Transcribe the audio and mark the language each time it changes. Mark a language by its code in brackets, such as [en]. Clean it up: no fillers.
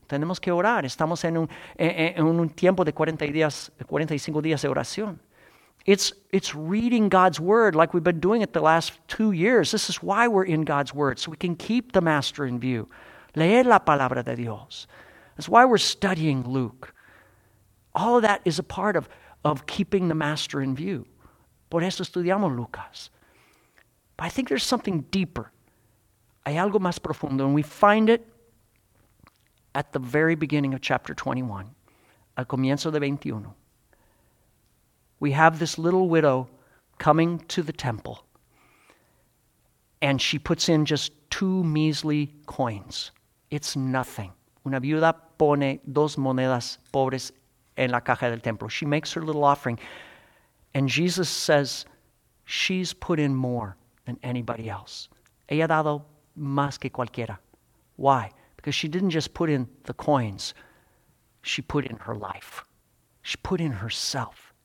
[es] Tenemos que orar. Estamos en un tiempo de 45 días de oración. [en] It's reading God's word like we've been doing it the last 2 years. This is why we're in God's word, so we can keep the master in view. [es] Leer la palabra de Dios. [en] That's why we're studying Luke. All of that is a part of keeping the master in view. [es] Por eso estudiamos Lucas. [en] But I think there's something deeper. [es] Hay algo más profundo. [en] And we find it at the very beginning of chapter 21. [es] Al comienzo de 21. [en] We have this little widow coming to the temple. And she puts in just 2 measly coins. It's nothing. [es] Una viuda pone 2 monedas pobres en la caja del templo. [en] She makes her little offering. And Jesus says, she's put in more than anybody else. [es] Ella ha dado más que cualquiera. [en] Why? Because she didn't just put in the coins. She put in her life. She put in herself.